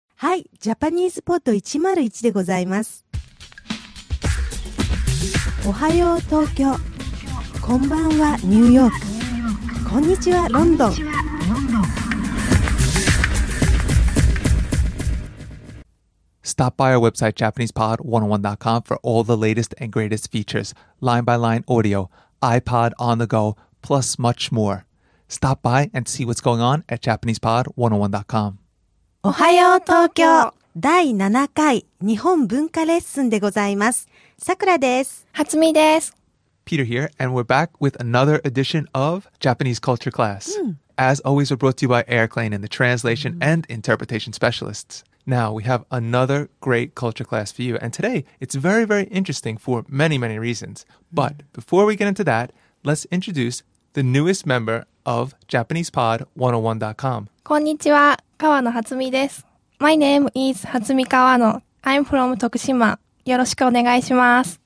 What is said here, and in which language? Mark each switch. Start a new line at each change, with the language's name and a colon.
Japanese: はい、ジャパニーズポット101でございます。おはよう東京、こんばんはニューヨーク、こんにちはロンドン。
English: Stop by our website JapanesePod101.com for all the latest and greatest features, line-by-line audio, iPod on the go, plus much more. Stop by and see what's going on at JapanesePod101.com.
Japanese: おはよう東京、第7回日本文化レッスンでございます。さくらです。はつみです。
English: Peter here, and we're back with another edition of Japanese Culture Class. As always, we're brought to you by Airclane and the Translation and Interpretation Specialists. Now, we have another great culture class for you. And today, it's very, very interesting for many, many reasons. But before we get into that, let's introduce the newest member of JapanesePod101.com.
Japanese: こんにちは、川野はつみです。
English: My name is Hatsumi Kawano. I'm from Tokushima.
Japanese: よろしくお願いします。